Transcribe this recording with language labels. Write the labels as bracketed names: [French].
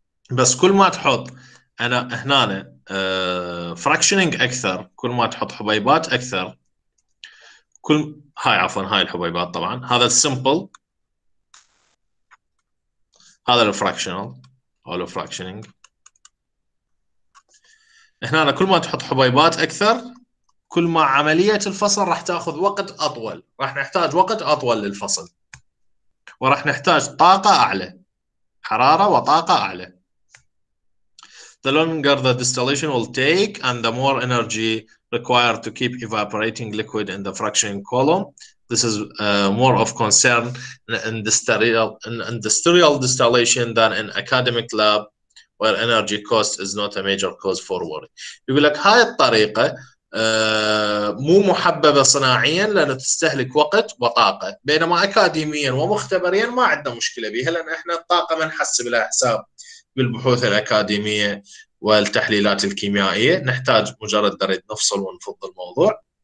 [Arabic] بس كل ما تحط أنا هنا فراكشنينج أكثر، كل ما تحط حبيبات أكثر، كل هاي عفوا هاي الحبيبات طبعا، هذا السيمبل، هذا الفراكشنال أو الفراكشنينج. هنا أنا كل ما تحط حبيبات أكثر كل ما عملية الفصل راح تأخذ وقت أطول، راح نحتاج وقت أطول للفصل وراح نحتاج طاقة أعلى، حرارة وطاقة أعلى. [English] The longer the distillation will take and the more energy required to keep evaporating liquid in the fractioning column. This is more of concern in industrial distillation than in academic lab where energy cost is not a major cause for worry. [Arabic] يقول لك هاي الطريقة مو محببة صناعيا لأن تستهلك وقت وطاقة، بينما أكاديميا ومختبريا ما عندنا مشكلة بها لأن احنا الطاقة ما نحسب لها حساب بالبحوث الأكاديمية والتحليلات الكيميائية، نحتاج مجرد دريد نفصل ونفض الموضوع.